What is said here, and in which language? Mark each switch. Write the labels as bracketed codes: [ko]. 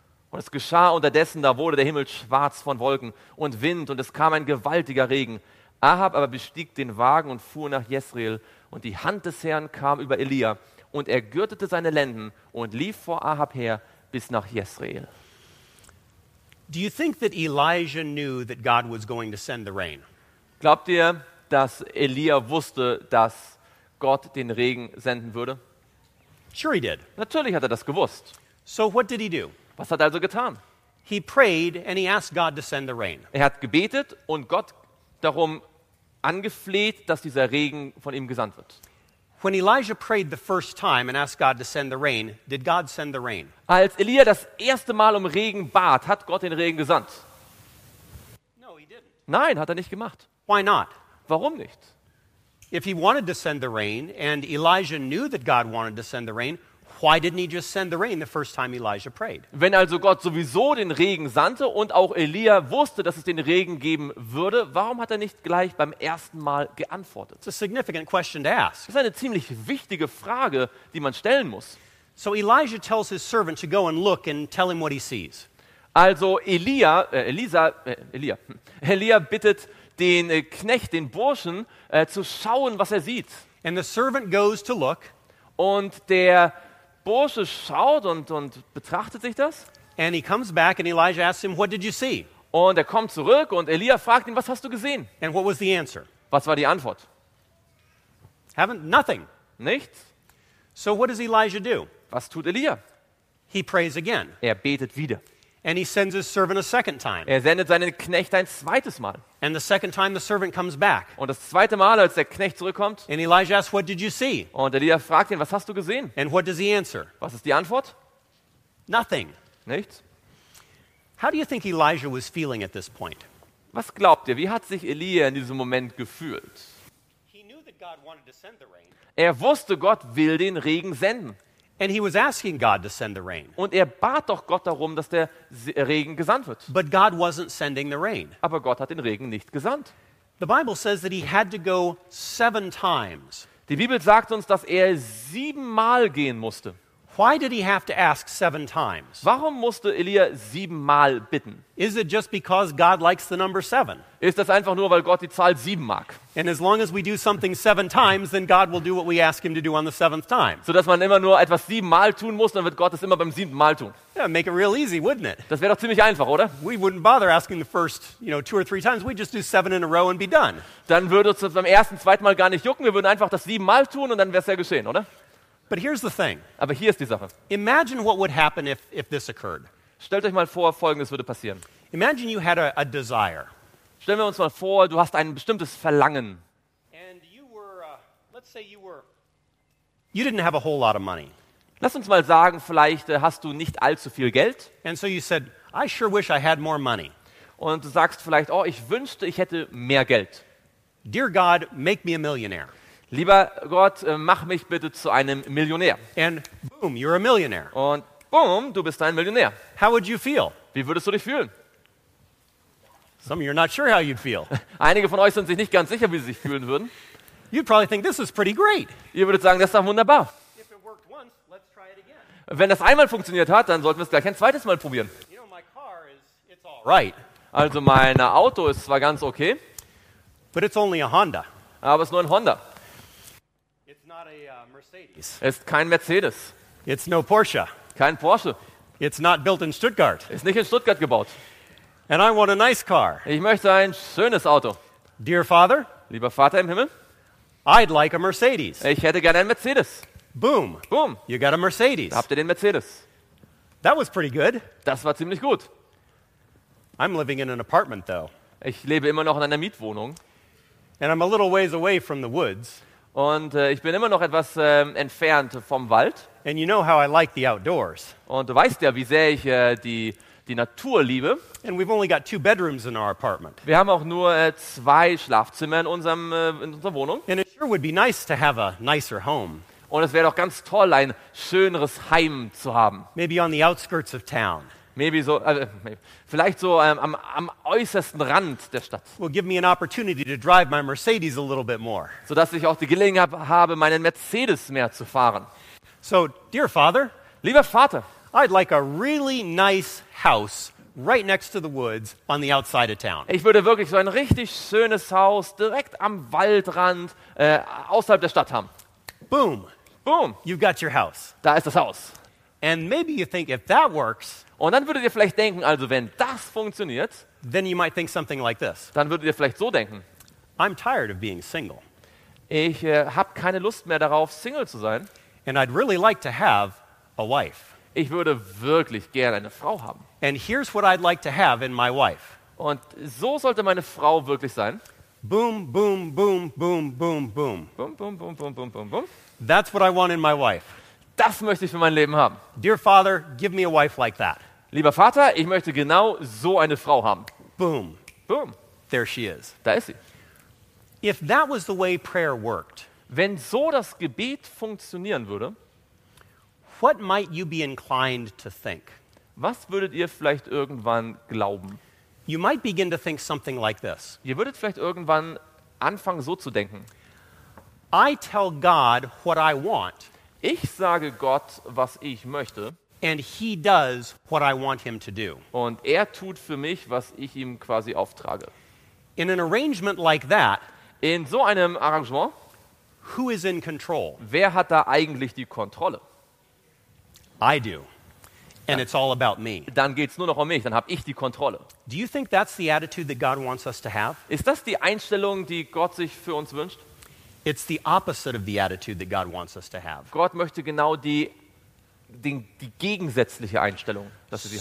[de] Und es geschah unterdessen, da wurde der Himmel schwarz von Wolken und Wind, und es kam ein gewaltiger Regen. Ahab aber bestieg den Wagen und fuhr nach Jezreel, und die Hand des Herrn kam über Elia, und er gürtete seine Lenden und lief vor Ahab her bis nach Jezreel. [en] Do you think that Elijah knew that God was going to send the rain? [de] Glaubt ihr, dass Elia wusste, dass Gott den Regen senden würde? [en] Sure he did. [de] Natürlich hat er das gewusst. [en] So what did he do? [de] Was hat er also getan? [en] He prayed and he asked God to send the rain. [de] Er hat gebetet und Gott darum angefleht, dass dieser Regen von ihm gesandt wird. [en] When Elijah prayed the first time and asked God to send the rain, did God send the rain? [de] Als Elia das erste Mal um Regen bat, hat Gott den Regen gesandt? [en] No, he didn't. [de] Nein, hat er nicht gemacht. [en] Why not? [de] Warum nicht? [en] If he wanted to send the rain and Elijah knew that God wanted to send the rain, why didn't he just send the rain the first time Elijah prayed? [de] Wenn also Gott sowieso den Regen sandte und auch Elia wusste, dass es den Regen geben würde, warum hat er nicht gleich beim ersten Mal geantwortet? [en] It's a significant question to ask. [de] Das ist eine ziemlich wichtige Frage, die man stellen muss. [en] So Elijah tells his servant to go and look and tell him what he sees. [de] Also Elia bittet den Knecht, den Burschen, zu schauen, was er sieht. [en] And the servant goes to look. [de] Und der Bursche schaut und betrachtet sich das. [en] And he comes back and Elijah asks him, what did you see? [de] Und er kommt zurück und Elia fragt ihn, was hast du gesehen? [en] And what was the answer? [de] Was war die Antwort? [en] Haven't nothing. [de] Nichts. [en] So what does Elijah do? [de] Was tut Elia? [en] He prays again. [de] Er betet wieder. [en] And he sends his servant a second time. [de] Er sendet seinen Knecht ein zweites Mal. [en] And the second time the servant comes back. [de] Und das zweite Mal, als der Knecht zurückkommt. [en] And Elijah asks, what did you see? [de] Und Elia fragt ihn, was hast du gesehen? [en] And what does he answer? [de] Was ist die Antwort? [en] Nothing. [de] Nichts. [en] How do you think Elijah was feeling at this point? [de] Was glaubt ihr, wie hat sich Elia in diesem Moment gefühlt? [en] He knew that God wanted to send the rain. [de] Er wusste, Gott will den Regen senden. [en] And he was asking God to send the rain. [de] Und er bat doch Gott darum, dass der Regen gesandt wird. [en] But God wasn't sending the rain. [de] Aber Gott hat den Regen nicht gesandt. [en] The Bible says that he had to go 7 times. [de] Die Bibel sagt uns, dass er 7-mal gehen musste. [en] Why did he have to ask 7 times? [de] Warum musste Elia 7-mal bitten? [en] Is it just because God likes the number 7? [de] Ist das einfach nur, weil Gott die Zahl 7 mag? [en] And as long as we do something 7 times, then God will do what we ask him to do on the 7th time. [de] So dass man immer nur etwas 7-mal tun muss, dann wird Gott es immer beim 7. Mal tun. [en] Yeah, make it real easy, wouldn't it? [de] Das wäre doch ziemlich einfach, oder? [en] We wouldn't bother asking the first, you know, 2 or 3 times. We'd just do 7 in a row and be done. [de] Dann würde es beim ersten, zweiten Mal gar nicht jucken. Wir würden einfach das 7-mal tun und dann wäre es ja geschehen, oder? [en] But here's the thing. [de] Aber hier ist die Sache. [en] Imagine what would happen if this occurred. [de] Stellt euch mal vor, Folgendes würde passieren. [en] Imagine you had a desire. [de] Stellen wir uns mal vor, du hast ein bestimmtes Verlangen. [en] And you were, let's say you were, you didn't have a whole lot of money. [de] Lass uns mal sagen, vielleicht hast du nicht allzu viel Geld. [en] And so you said, I sure wish I had more money. [de] Und du sagst vielleicht, oh, ich wünschte, ich hätte mehr Geld. [en] Dear God, make me a millionaire. [de] Lieber Gott, mach mich bitte zu einem Millionär. [en] And boom, you're a millionaire. [de] Und boom, du bist ein Millionär. [en] How would you feel? [de] Wie würdest du dich fühlen? [en] Some of you are not sure how you'd feel. [de] Einige von euch sind sich nicht ganz sicher, wie sie sich fühlen würden. [en] You'd probably think this is pretty great. [de] Ihr würdet sagen, das ist doch wunderbar. [en] If it worked once, let's try it again. [de] Wenn das einmal funktioniert hat, dann sollten wir es gleich ein zweites Mal probieren. [en] You know, my car is, it's all right. [de] Also mein Auto ist zwar ganz okay, [en] but it's only a Honda. [de] Aber es ist nur ein Honda. [en] Mercedes. [de] Ist kein Mercedes. [en] It's no Porsche. [de] Kein Porsche. [en] It's not built in Stuttgart. [de] Ist nicht in Stuttgart gebaut. [en] And I want a nice car. [de] Ich möchte ein schönes Auto. [en] Dear Father, [de] lieber Vater im Himmel, [en] I'd like a Mercedes. [de] Ich hätte gerne einen Mercedes. Boom. Boom. [en] You got a Mercedes. [de] Da habt ihr den Mercedes. [en] That was pretty good. [de] Das war ziemlich gut. [en] I'm living in an apartment though. [de] Ich lebe immer noch in einer Mietwohnung. [en] And I'm a little ways away from the woods. [de] Und ich bin immer noch etwas entfernt vom Wald. [en] And you know how I like the outdoors. [de] Und du weißt ja, wie sehr ich die Natur liebe. [en] And we've only got two bedrooms in our apartment. [de] Wir haben auch nur zwei Schlafzimmer in unserer Wohnung. [en] And it sure would be nice to have a nicer home. [de] Und es wäre doch ganz toll, ein schöneres Heim zu haben. [en] Maybe on the outskirts of town. Maybe so, [de] vielleicht so am äußersten Rand der Stadt. [en] Will give me an opportunity to drive my Mercedes a little bit more. [de] So dass ich auch die Gelegenheit habe, meinen Mercedes mehr zu fahren. [en] So, dear father, [de] lieber Vater, [en] I'd like a really nice house right next to the woods on the outside of town. [de] Ich würde wirklich so ein richtig schönes Haus direkt am Waldrand außerhalb der Stadt haben. Boom. Boom. [en] You've got your house. [de] Da ist das Haus. [en] And maybe you think if that works, [de] und dann würdet ihr vielleicht denken, also wenn das funktioniert, [en] then you might think something like this. [de] Dann würdet ihr vielleicht so denken. [en] I'm tired of being single. [de] Ich habe keine Lust mehr darauf, Single zu sein. [en] And I'd really like to have a wife. [de] Ich würde wirklich gerne eine Frau haben. [en] And here's what I'd like to have in my wife. [de] Und so sollte meine Frau wirklich sein. Boom, boom, boom, boom, boom, boom. Boom, boom, boom, boom, boom, boom, boom. [en] That's what I want in my wife. [de] Das möchte ich für mein Leben haben. [en] Dear father, give me a wife like that. [de] Lieber Vater, ich möchte genau so eine Frau haben. Boom. Boom. [en] There she is. [de] Da ist sie. [en] If that was the way prayer worked, [de] wenn so das Gebet funktionieren würde, [en] what might you be inclined to think? [de] Was würdet ihr vielleicht irgendwann glauben? [en] You might begin to think something like this. [de] Ihr würdet vielleicht irgendwann anfangen so zu denken. [en] I tell God what I want. [de] Ich sage Gott, was ich möchte. [en] And he does what I want him to do. [de] Und er tut für mich, was ich ihm quasi auftrage. [en] In an arrangement like that, [de] in so einem Arrangement, [en] who is in control? [de] Wer hat da eigentlich die Kontrolle? [en] I do. And it's all about me. [de] Dann geht's nur noch um mich, dann habe ich die Kontrolle. [en] Do you think that's the attitude that God wants us to have? [de] Ist das die Einstellung, die Gott sich für uns wünscht? [en] It's the opposite of the attitude that God wants us to have. [de] Gott möchte genau die gegensätzliche Einstellung, dass wir sie